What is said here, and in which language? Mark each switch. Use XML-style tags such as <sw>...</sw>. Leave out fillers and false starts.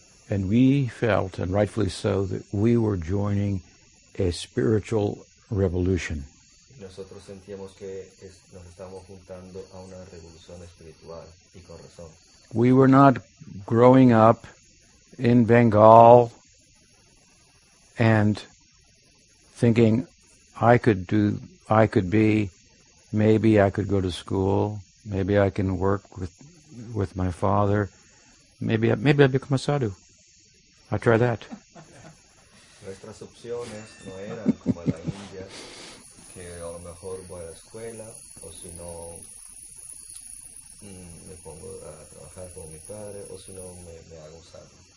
<en>And we felt, and rightfully so, that we were joining a spiritual revolution.</en> <es>Nosotros sentíamos que nos estábamos juntando a una revolución espiritual, y con razón.</es> <en>We were not growing up in Bengal and thinking I could go to school, maybe I can work with my father, maybe I'll become a sadhu. I'll try that.</en> <es>Nuestras opciones no eran como la India, que a lo mejor voy a la escuela, o si no me pongo a trabajar con mi padre, o si no me hago sadhu.</es>